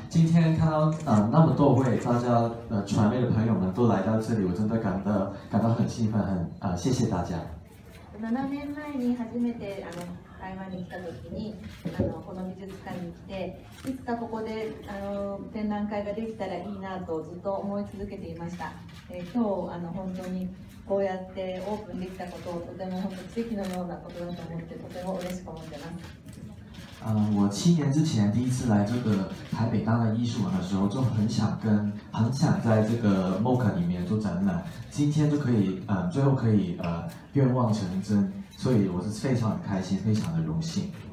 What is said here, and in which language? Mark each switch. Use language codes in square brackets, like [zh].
[zh] 今天看到那么多位大家传媒的朋友们都来到这里，我真的感到很兴奋，很谢谢大家。 [ja] 7年前に初めて台湾に来た時にこの美術館に来て、いつかここで展覧会ができたらいいなとずっと思い続けていました。今日本当にこうやってオープンできたことをとても本当奇跡のようなことだと思ってとても嬉しく思っています。 [zh] 我七年之前第一次来这个台北当代艺术馆的时候，就很想在这个 MOCA 里面做展览。今天就可以，最后可以，愿望成真，所以我是非常开心，非常的荣幸。